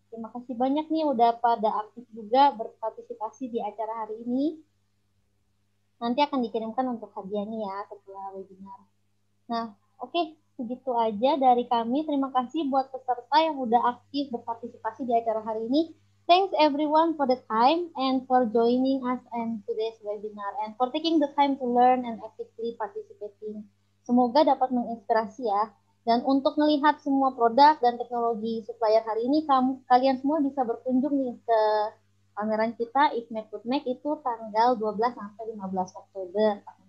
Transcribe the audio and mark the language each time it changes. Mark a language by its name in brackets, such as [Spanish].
[Indonesian] Terima kasih banyak nih udah pada aktif juga berpartisipasi di acara hari ini. Nanti akan dikirimkan untuk hadiahnya ya setelah webinar. Nah, oke. Okay. Segitu aja dari kami. Terima kasih buat peserta yang udah aktif berpartisipasi di acara hari ini. [English] Thanks everyone for the time and for joining us in today's webinar and for taking the time to learn and actively participating. [Indonesian] Semoga dapat menginspirasi ya. Dan untuk melihat semua produk dan teknologi supplier hari ini, kalian semua bisa berkunjung nih ke pameran kita IFME Putnex itu tanggal 12 sampai 15 Oktober.